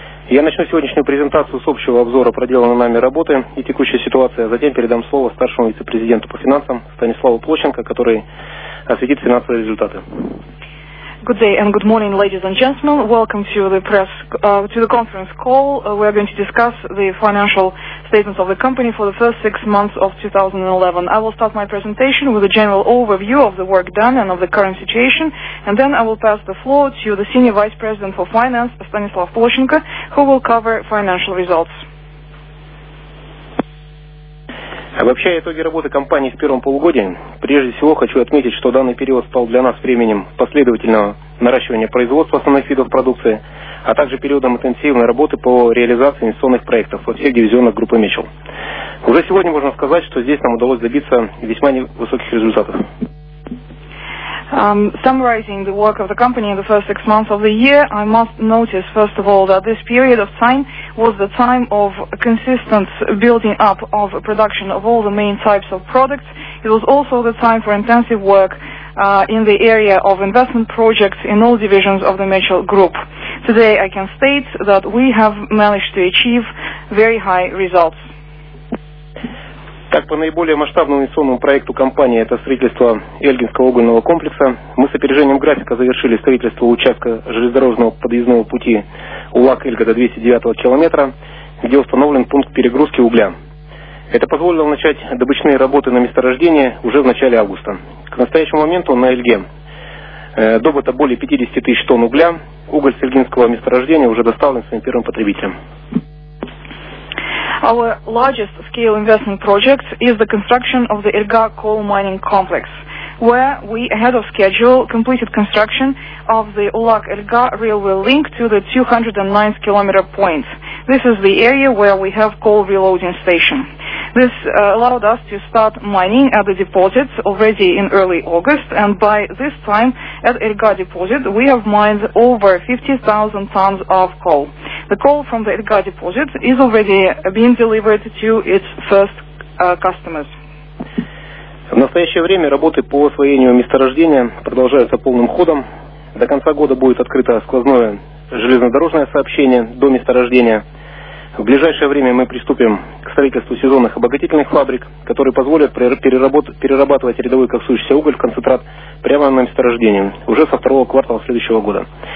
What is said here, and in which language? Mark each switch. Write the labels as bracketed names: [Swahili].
[Russian] Я начну сегодняшнюю презентацию с общего обзора проделанной нами работы и текущей ситуации, а затем передам слово старшему вице-президенту по финансам Станиславу Площенко, который осветит финансовые результаты. [English] Good day and good morning, ladies and gentlemen. Welcome to the press, to the conference call. We are going to discuss the financial statements of the company for the first six months of 2011. I will start my presentation with a general overview of the work done and of the current situation, and then I will pass the floor to the Senior Vice President for Finance, Stanislav Plochenko, who will cover financial results. [Russian] Вообще, итоги работы компании в первом полугодии. Прежде всего, хочу отметить, что данный период стал для нас временем последовательного наращивания производства основных видов продукции, а также периодом интенсивной работы по реализации инвестиционных проектов во всех дивизионах группы Мечел. Уже сегодня можно сказать, что здесь нам удалось добиться весьма невысоких результатов. [English] Summarizing the work of the company in the first six months of the year, I must notice, first of all, that this period of time was the time of consistent building up of production of all the main types of products. It was also the time for intensive work in the area of investment projects in all divisions of the Mitchell Group. Today I can state that we have managed to achieve very high results. [Russian] Так, по наиболее масштабному инвестиционному проекту компании, это строительство Эльгинского угольного комплекса, мы с опережением графика завершили строительство участка железнодорожного подъездного пути Улак-Эльга до 209 километра, где установлен пункт перегрузки угля. Это позволило начать добычные работы на месторождении уже в начале августа. К настоящему моменту на Эльге добыто более 50 тысяч тонн угля, уголь с Эльгинского месторождения уже доставлен своим первым потребителям. [English] Our largest scale investment project is the construction of the Ilga coal mining complex, where we, ahead of schedule, completed construction of the Ulak-Ilga railway link to the 209 kilometer point. This is the area where we have coal reloading station. This allowed us to start mining at the deposit already in early August, and by this time at Ilga deposit we have mined over 50,000 tons of coal. The coal from the Ilga deposit is already being delivered to its first customers. [Russian] В настоящее время работы по освоению месторождения продолжаются полным ходом. До конца года будет открыто сквозное железнодорожное сообщение до месторождения. В ближайшее время мы приступим к строительству сезонных обогатительных фабрик, которые позволят перерабатывать рядовой коксующийся уголь в концентрат прямо на месторождении уже со второго квартала следующего года.